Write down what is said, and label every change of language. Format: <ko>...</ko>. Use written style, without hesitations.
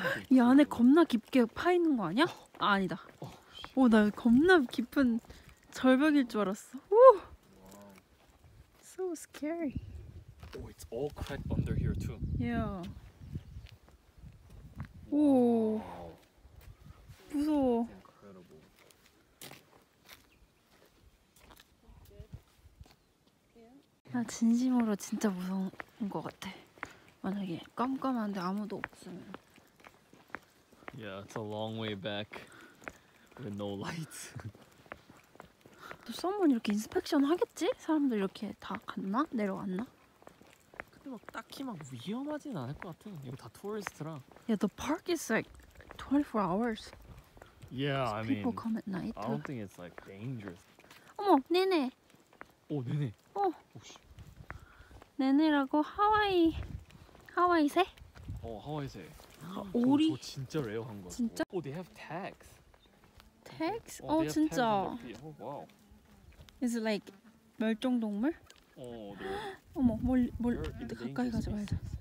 <ko>이 안에 겁나 깊게 파 있는 거 아니야? 아, 아니다. 오, 나 겁나 깊은 절벽일 줄 알았어.</ko> <en>So scary. Oh, it's all cracked under here too. Yeah.</en> <ko>오, 무서워.</ko> <en>Incredible.</en> <ko>나 진심으로 진짜 무서운 것 같아. 만약에 깜깜한데 아무도 없으면.</ko> <en>Yeah, it's a long way back with no lights.</en> <ko>또 someone 이렇게 인스펙션 하겠지? 사람들 이렇게 다 갔나? 내려왔나? 막 딱히 막 위험하진 않을 것 같아. 이거 다 투어리스트라.</ko> <en>Yeah, the park is like 24 hours. Yeah, I mean. People come at night. I don't think it's like dangerous.</en> <ko>어머, 네네. 오, 네네. 오. 오씨. 네네라고 하와이. 하와이세? 어, 하와이세. 아, 오리. 저 진짜 레어한 거. 진짜?</ko> <en>오, they have tags.</en> <ko>Tags? 어, 진짜.</ko> <en>Oh, wow. Is it like</en> <ko>멸종 동물? 어, 네. 어머, 멀리 가까이 가지 말자.</ko>